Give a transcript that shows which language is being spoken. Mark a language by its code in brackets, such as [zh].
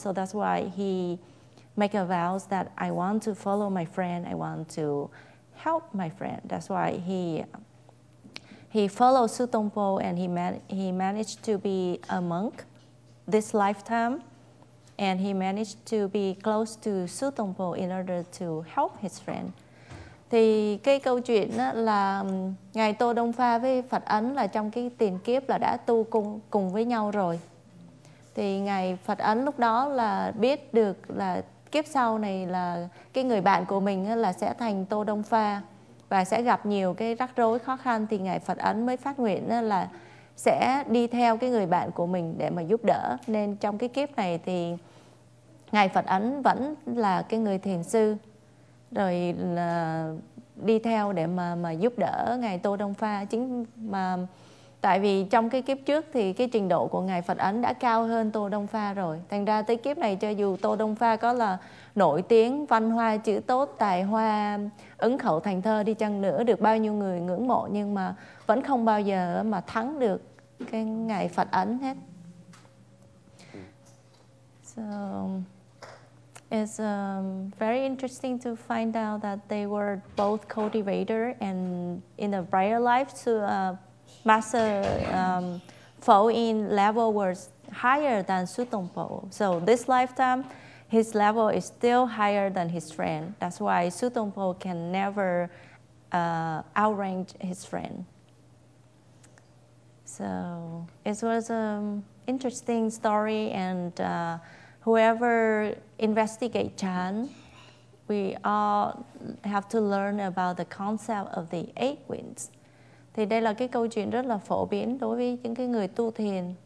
[en] So that's why he make a vow that I want to follow my friend, I want to help my friend. That's why he followed Su Tong Po, and he managed to be a monk this lifetime, and he managed to be close to Su Tong Po in order to help his friend. [vi] Thì cái câu chuyện đó là ngài Tô Đông Pha với Phật Ấn là trong cái tiền kiếp là đã tu cùng với nhau rồi. Thì ngài Phật Ấn lúc đó là biết được là kiếp sau này là cái người bạn của mình là sẽ thành Tô Đông Pha và sẽ gặp nhiều cái rắc rối khó khăn, thì ngài Phật Ấn mới phát nguyện là sẽ đi theo cái người bạn của mình để mà giúp đỡ. Nên trong cái kiếp này thì ngài Phật Ấn vẫn là cái người thiền sư, rồi là đi theo để mà giúp đỡ ngài Tô Đông Pha. Chính mà tại vì trong cái kiếp trước thì cái trình độ của ngài Phật Ấn đã cao hơn Tô Đông Pha rồi. Thành ra tới kiếp này cho dù Tô Đông Pha có là nổi tiếng, văn hoa, chữ tốt, tài hoa, ứng khẩu thành thơ đi chăng nữa, được bao nhiêu người ngưỡng mộ, nhưng mà vẫn không bao giờ mà thắng được cái ngài Phật Ấn hết. [en] So it's very interesting to find out that they were both cultivator, and in the prior life to Master Pho Yin level was higher than Su Tong Po. So this lifetime, his level is still higher than his friend. That's why Su Tong Po can never outrank his friend. So it was an interesting story, and whoever investigate Chan, we all have to learn about the concept of the eight winds. [vi] Thì đây là cái câu chuyện rất là phổ biến đối với những cái người tu thiền.